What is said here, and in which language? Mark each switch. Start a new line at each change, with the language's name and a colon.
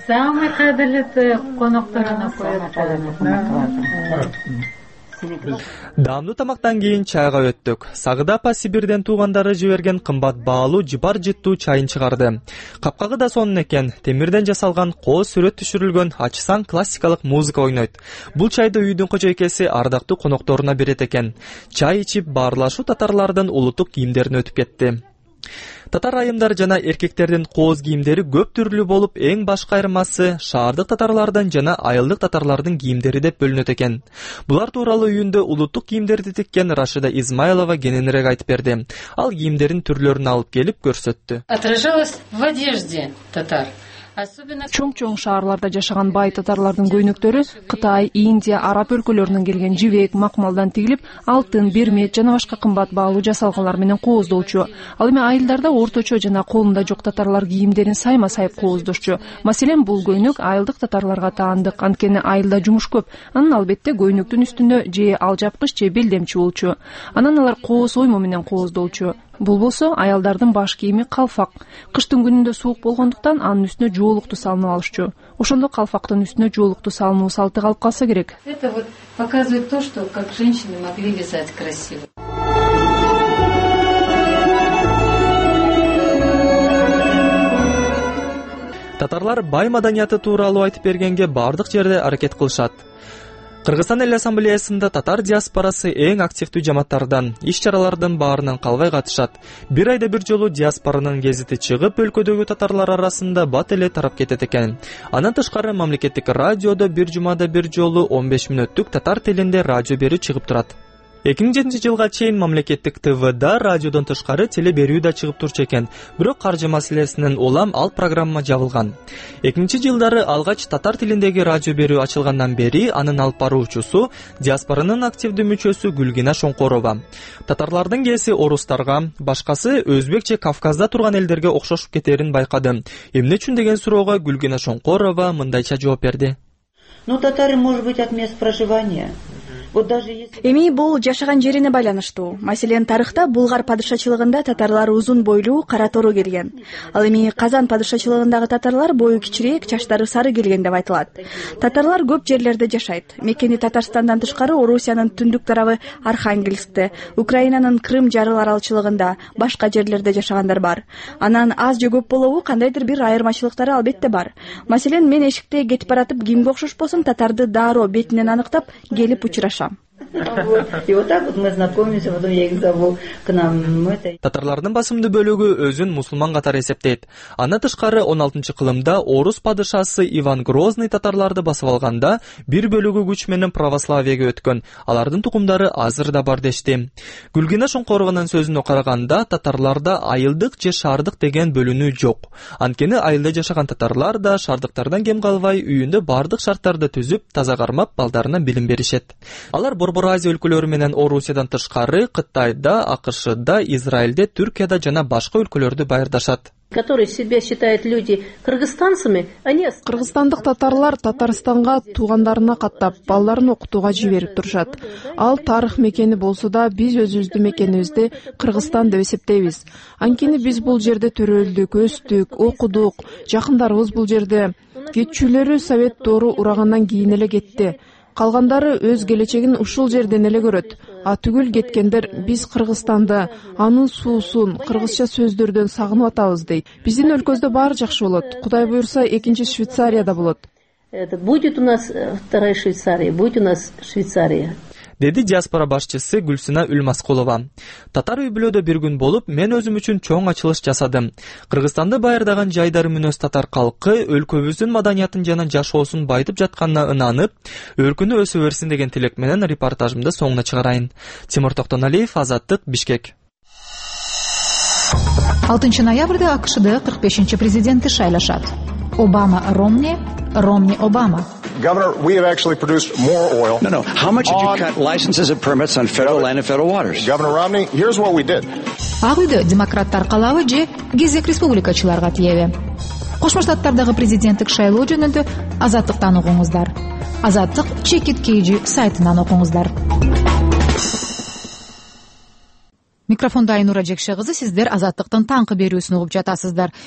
Kyrgyz: Самый кадрлый конокторо на коёт. Даамдуу тамактан кийин чайга өттүк. Сагыда апа Сибирден туугандары жиберген кымбат баалуу жыбар жыттуу чайын чыгарды. Капкагы да сонун экен. Темирден жасалган, кол сүрөт түшүрүлгөн, ачсан классикалык музыка ойнойт. Бул чайды үйдүн кожойкеси ардактуу конокторуна берет экен. Чай ичип баарлашуу татарлардын улуттук кийимдерине өтүп кетти. Татар айымдар жана эркектердин кооз кийимдери көп түрлүү болуп, эң башка айырмасы шаардык татарлардын жана айылдык татарлардын кийимдери деп бөлүнөт экен. Булар тууралуу үйүндө улуттук кийимдерди тиккен Рашида Измайлова кененирээк айтып берди. Ал кийимдердин түрлөрүн алып келип көрсөттү.
Russian: Отражалось в одежде татар.
Kyrgyz: Чоң-чоң шаарларда жашаган бай татарлардын көйнөктөрү Кытай, Индия, Араб өлкөлөрүнөн келген жибек, макмалдан тигилип, алтын, берме жана башка кымбат баалуу жасалгалар менен кооздолчу. Ал эми айылдарда орточо жана колунда жок татарлар кийимдерин сайма-сайып кооздошчу. Маселен, бул көйнөк айылдык татарларга таандык, анткени айылда жумуш көп. Анын албетте көйнөктүн үстүндө же ал жапкыч же белдемчи болчу. Анан алар кооз оймо менен кооздолчу. Бул болсо аялдардын баш кийими калфак. Кыштын күнүндө суук болгондуктан анын үстүнө жоолукту салынып алышчу. Ошондо калфактын үстүнө жоолукту салынуу салты калып калса керек.
Russian: Это вот показывает то, что как женщины могли вязать красиво.
Kyrgyz: Татарлар бай маданияты тууралуу айтып бергенге бардык жерде аракет кылышат. Кыргызстан эл ассамблеясында татар диаспорасы эң активдүү жамааттардан, иш-чаралардын баарынан калбай катышат. Бир айда бир жолу диаспоранын гезити чыгып, өлкөдөгү татарлар арасында бат эле тарап кетет экен. Анан тышкары мамлекеттик радиодо бир жумада бир жолу 15 мүнөттүк татар тилинде радио берүү чыгып турат. 2007 жылга чейин мамлекеттик ТВ-да радиодон тышкары телеберүү да чыгып турчу экен, бирок каржы маселесинен улам ал программа жабылган. 2000 жылдары алгач татар тилиндеги радио берүү ачылгандан бери анын алып баруучусу диаспоранын активдүү мүчөсү Гүлгина Шоңкорова. Татарлардын кеси орустарга, башкасы өзбек же Кавказда турган элдерге окшошуп кетерин байкады. Эмне үчүн деген суроого Гүлгина Шоңкорова мындайча жооп берди.
Russian: Ну, татары, может быть, от мест проживания.
Kyrgyz: Эми бул жашаган жерине байланыштуу. Маселен, тарыхта Булгар падышачылыгында татарлар узун бойлуу, кара тору келген. Ал эми Казан падышачылыгындагы татарлар бою кичирээк, чачтары сары келген деп айтылат. Татарлар көп жерлерде жашайт. Мекени Татарстандан тышкары Орусиянын түндүк тарабы Архангельскте, Украинанын Крым жарыл аралчылыгында, башка жерлерде жашагандар бар. Анан аз же көп болобу, кандайдыр бир айырмачылыктары албетте бар. Маселен, мен эшикте кетип баратып кимге окшошпосун, татарды дароо бетинен аныктап келип учурашам.
Russian: И вот так вот мы знакомимся, потом я их зову к нам.
Kyrgyz: Татарлардын басымдуу бөлүгү өзүн мусулман катары эсептейт. Андан тышкары 16-чы кылымда орус падышасы Иван Грозный татарларды басып алганда бир бөлүгү күч менен православиеге өткөн. Алардын тукумдары азыр да бар дешти. Гүлгина Шоңкорованын сөзүнө караганда, татарларда айылдык же шаардык деген бөлүнүү жок. Анткени айылда жашаган татарлар да шаардыктардан кем калбай, үйүндө бардык шарттарды түзүп, таза кармап, балдарына билим беришет. Алар Борбор-Азия өлкөлөрү менен Орусиядан тышкары Кытайда, АКШда, Израилде, Түркияда жана башка өлкөлөрдү байырдашат.
Russian: Которые себя считают люди кыргызстанцами, они
Kyrgyz: кыргызстандык татарлар Татарстанга туугандарына каттап, балдарын окутууга жиберип турушат. Ал тарых мекени болсо да, биз өзүбүздүн мекенибизди Кыргызстан деп эсептейбиз. Анткени биз бул жерде төрөлдүк, өстүк, окудук, жакындарыбыз бул жерде. Кетчүлөрү совет доору урагандан кийин эле кетти. Калгандары өз келечегин ушул жерден эле көрөт. А түгүл кеткендер биз Кыргызстанды, анын суусун, кыргызча сөздөрдөн сагынып атабыз дейт. Биздин өлкөздө баары жакшы болот. Кудай буйурса, экинчи Швейцарияда болот.
Russian: Это будет у нас вторая Швейцария, будет у нас Швейцария.
Kyrgyz: Деди диаспора башчысы Гүлсина Үлмаскулова. Татар үйбүлөдө бир күн болуп, мен өзүм үчүн чоң ачылыш жасадым. Кыргызстанды байырдаган жайдар мүнөз татар калкы өлкөбүздүн маданиятын жана жашоосун байытып жатканына ынанып, өркүнү өсө берсин деген тилек менен репортажымды соңуна чыгарайын. Тимур Токтоналиев, Азаттык, Бишкек. 6 ноябрда АКШда 45-чи президенти шайлашат. Обама Ромни, Ромни Обама.
English: Governor, we have actually produced more oil. No, no. How much did you cut licenses and permits on federal land and federal waters? Governor Romney, here's what we did.
Kyrgyz: Ал үйдө демократтар калабы же кезек республикачыларга тиеби? Кошмо Штаттардагы президенттик шайлоо жөнүндө Азаттыктан угуңуздар. Азаттык чекит кейжи сайтынан окуңуздар. Микрофондо Айнура Жекше кызы, сиздер Азаттыктын таңкы берүүсүн угуп жатасыздар.